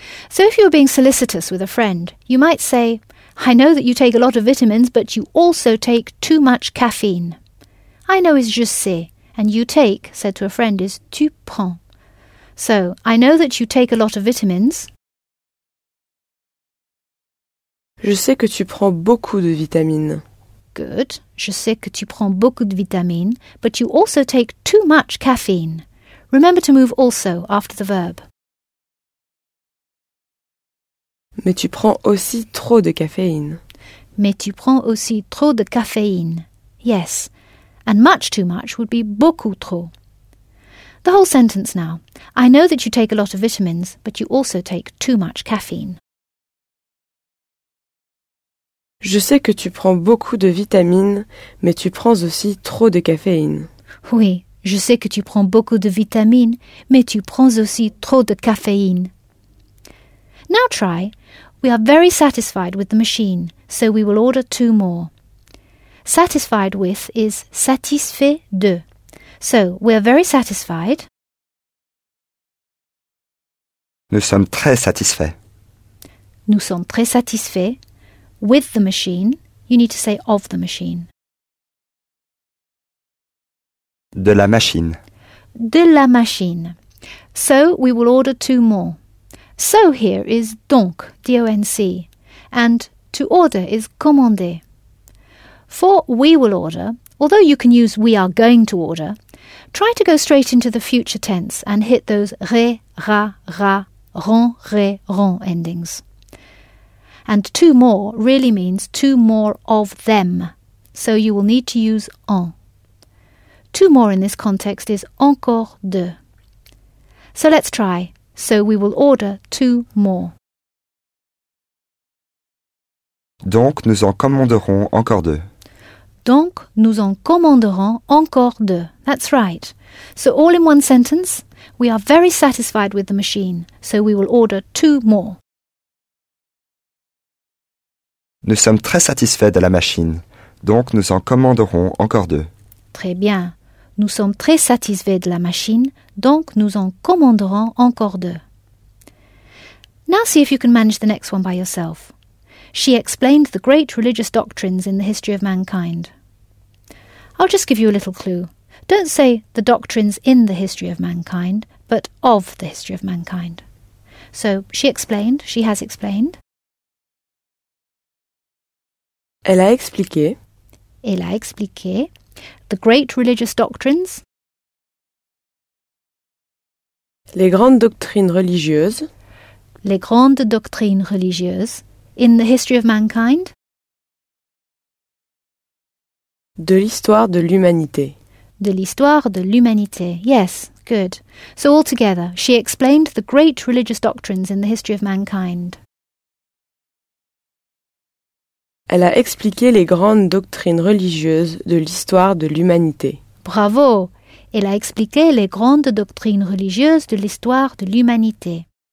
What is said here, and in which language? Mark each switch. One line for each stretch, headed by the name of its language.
English: So if you're being solicitous with a friend, you might say, I know that you take a lot of vitamins, but you also take too much caffeine. I know is
French: je sais,
English: and you take, said to a friend, is
French: tu prends.
English: So, I know that you take a lot of vitamins.
French: Je sais que tu prends beaucoup de vitamines.
English: Good.
French: Je sais que tu prends beaucoup de vitamines,
English: but you also take too much caffeine. Remember to move also after the verb.
French: Mais tu prends aussi trop de caféine. Mais tu prends aussi trop de caféine.
English: Yes. And much too much would be
French: beaucoup trop.
English: The whole sentence now. I know that you take a lot of vitamins, but you also take too much caffeine.
French: Je sais que tu prends beaucoup de vitamines, mais tu prends aussi trop de caféine. Oui, je sais que tu prends beaucoup de vitamines, mais tu prends aussi trop de caféine.
English: Now try. We are very satisfied with the machine, so we will order two more. Satisfied with is
French: satisfait de.
English: So, we are very satisfied.
French: Nous sommes très satisfaits. Nous sommes très satisfaits.
English: With the machine, you need to say of the machine.
French: De la machine. De la machine.
English: So, we will order two more. So here is donc, D-O-N-C, and to order is commander. For we will order, although you can use we are going to order, try to go straight into the future tense and hit those ré, ra, ra, ron, ré, ron endings. And two more really means two more of them, so you will need to use en. Two more in this context is
French: encore deux.
English: So let's try. So we will order two more.
French: Donc nous en commanderons encore deux. Donc nous en commanderons encore deux.
English: That's right. So all in one sentence, we are very satisfied with the machine, so we will order two more.
French: Nous sommes très satisfaits de la machine, donc nous en commanderons encore deux. Très bien. Nous sommes très satisfaits de la machine, donc nous en commanderons encore deux.
English: Now see if you can manage the next one by yourself. She explained the great religious doctrines in the history of mankind. I'll just give you a little clue. Don't say the doctrines in the history of mankind, but of the history of mankind. So, she explained, she has explained.
French: Elle a expliqué. Elle a expliqué.
English: The great religious doctrines.
French: Les grandes doctrines religieuses. Les grandes doctrines religieuses.
English: In the history of mankind.
French: De l'histoire de l'humanité. De l'histoire de l'humanité.
English: Yes, good. So altogether, she explained the great religious doctrines in the history of mankind.
French: Elle a expliqué les grandes doctrines religieuses de l'histoire de l'humanité. Bravo! Elle a expliqué les grandes doctrines religieuses de l'histoire de l'humanité.